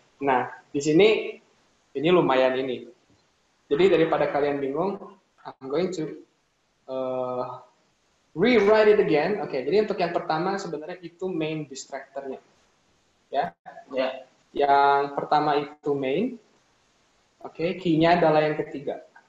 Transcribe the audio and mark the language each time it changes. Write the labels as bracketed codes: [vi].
[id] Nah, di sini ini lumayan ini. Jadi daripada kalian bingung, [en] I'm going to rewrite it again. [id] Oke, okay, jadi untuk yang pertama sebenarnya itu main distractor-nya. Ya. Yeah. Ya. Yeah. Yang pertama itu main. Oke, okay, key-nya adalah yang ketiga.